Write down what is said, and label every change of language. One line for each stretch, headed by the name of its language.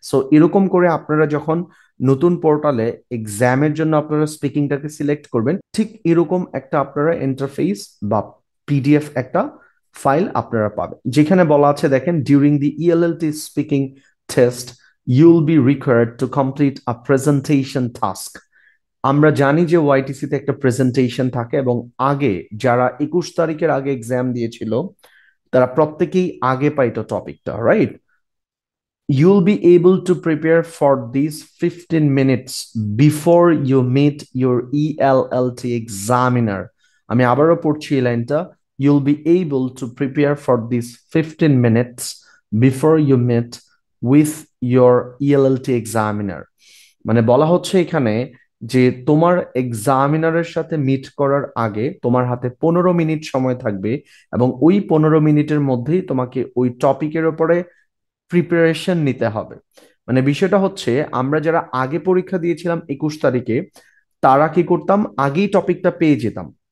Bangla: So এরকম করে আপনারা যখন নতুন পোর্টালে এক্সামের জন্য আপনারা স্পিকিংটাকে সিলেক্ট করবেন, ঠিক এরকম একটা আপনারা ইন্টারফেস বা পিডিএফ একটা ফাইল আপনারা পাবেন, যেখানে বলা আছে, দেখেন,
English: During the ELLT speaking test you will be required to complete a presentation task.
Bangla: আমরা জানি যে ওআইটিসিতে একটা প্রেজেন্টেশন থাকে, এবং আগে যারা 21 তারিখের আগে এক্সাম দিয়েছিল, তারা প্রত্যেকেই আগে পাইতো টপিকটা, right?
English: You'll be able to prepare for these 15 minutes before you meet your ELLT examiner.
Bangla: আমি আবারও পড়ছি এই লাইনটা,
English: You'll be able to prepare for these 15 minutes before you meet with your ELLT examiner.
Bangla: মানে বলা হচ্ছে এখানে যে তোমার এক্সামিনারের সাথে মিট করার আগে তোমার হাতে 15 মিনিট সময় থাকবে, এবং ওই 15 মিনিটের মধ্যেই তোমাকে ওই টপিকের উপরে প্রিপারেশন নিতে হবে। মানে বিষয়টা হচ্ছে, আমরা যারা আগে পরীক্ষা দিয়েছিলাম 21 তারিখে, তারা কি করতাম, আগেই টপিকটা পেয়ে যেতাম।